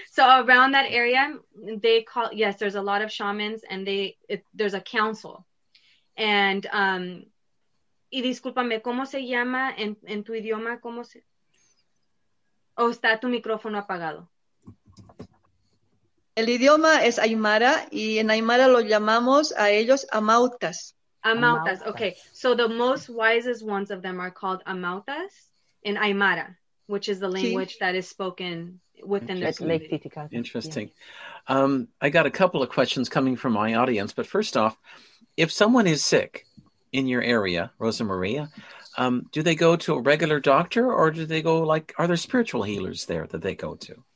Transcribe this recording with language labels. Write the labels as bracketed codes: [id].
[en] So around that area, there's a lot of shamans and there's a council. [es] And y discúlpame, ¿cómo se llama en tu idioma? ¿Cómo se ¿O está tu micrófono apagado? El idioma es Aymara y en Aymara lo llamamos a ellos amautas. [en] Amautas, okay. So the most wisest ones of them are called amautas in Aymara, which is the language that is spoken within their community. Interesting. Yeah. I got a couple of questions coming from my audience, but first off, if someone is sick in your area, Rosa Maria, do they go to a regular doctor or do they go like, are there spiritual healers there that they go to?